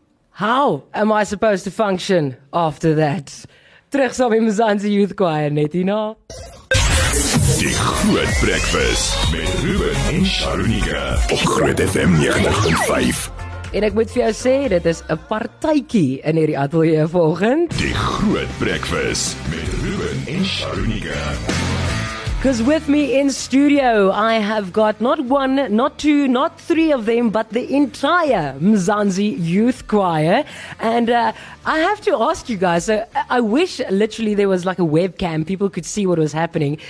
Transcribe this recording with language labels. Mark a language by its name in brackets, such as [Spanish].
[English] How am I supposed to function after that? [Afrikaans] Terug saam met Mzansi Youth Choir net hierna. Die Groot Breakfast met Ruben en Sharunika op Groot FM 95.5. En ek moet vir jou sê, dit is 'n partytjie in hierdie ateljee vanoggend. Die Groot Breakfast met Ruben en Sharunika. [English] Because with me in studio, I have got not one, not two, not three of them, but the entire Mzansi Youth Choir. And I have to ask you guys, I wish literally there was like a webcam, people could see what was happening.